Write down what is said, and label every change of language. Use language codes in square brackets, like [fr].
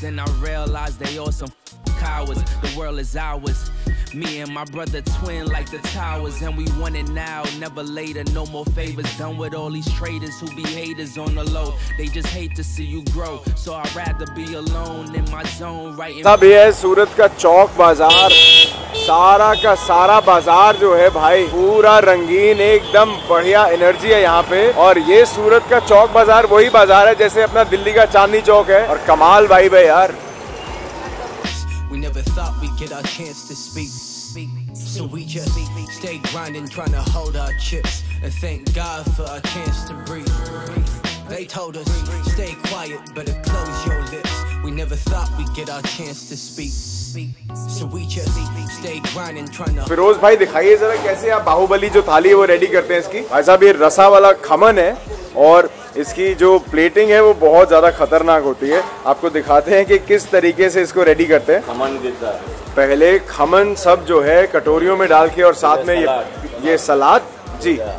[en] Then I realized they all some cowards. The world is ours. Me and my brother twin like the towers, and we want it now, never later. No more favors. Done with all these traitors who be haters on the low. They just hate to see you grow. So I'd rather be alone in my zone, right? [hi] तब ये सूरत का चौक बाजार, सारा का सारा बाजार जो है भाई पूरा रंगीन, एकदम बढ़िया एनर्जी है यहाँ पे। और ये सूरत का चौक बाजार वही बाजार है जैसे अपना दिल्ली का चांदनी चौक है, और कमाल भाई भाई यार। [en] We never thought we'd get our chance to speak, so we just stay grinding, trying to hold our chips, and thank God for our chance to breathe. They told us stay quiet, better close your lips. We never thought we'd get our chance to speak, so we just stay grinding, trying to. [hi] Firoz भाई दिखाइए जरा कैसे आप बाहुबली जो थाली है वो ready करते हैं इसकी। भाई साहब ये रसा वाला खमन है और इसकी जो प्लेटिंग है वो बहुत ज्यादा खतरनाक होती है। आपको दिखाते हैं कि किस तरीके से इसको रेडी करते हैं। खमन देता है, पहले खमन सब जो है कटोरियों में डाल के और साथ में ये सलाद जी।